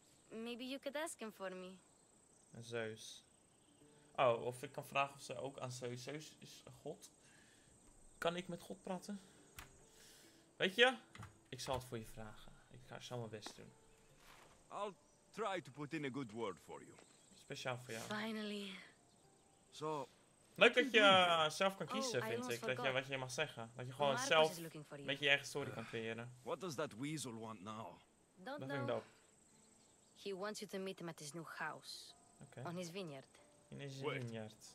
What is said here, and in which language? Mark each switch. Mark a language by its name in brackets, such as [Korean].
[English] Maybe you could ask him for me. [Dutch] Een Zeus. Oh, of ik kan vragen of ze ook aan Zeus. Zeus is een god. Kan ik met God praten? Weet je? Ik zal het voor je vragen. Ik ga zo mijn best doen. [English] I'll try to put in a good word for you. [Dutch] Speciaal voor jou. [English] Finally. So... [Dutch] Leuk dat je zelf kan kiezen, vind ik. Dat je wat je mag zeggen. Dat je gewoon zelf met je eigen story kan creëren. [English] What does that weasel want now? Don't know. [Dutch] Dat vind ik dope. [English] He wants you to meet him at his new house. Okay. On his vineyard. In his vineyard.